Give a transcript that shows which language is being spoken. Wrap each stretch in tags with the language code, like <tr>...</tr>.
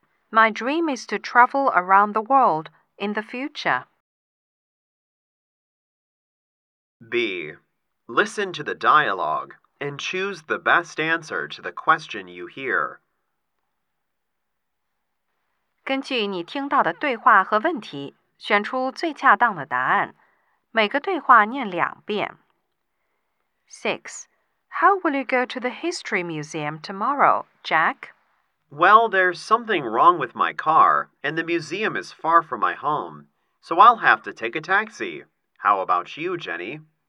<en>My dream is to travel around the world in the future. B. Listen to the dialogue and choose the best answer to the question you hear.</en> <zh>根据你听到的对话和问题，选出最恰当的答案。每个对话念两遍。6.</zh> <en>How will you go to the History Museum tomorrow, Jack? Well, there's something wrong with my car, and the museum is far from my home, so I'll have to take a taxi. How about you, Jenny?</en>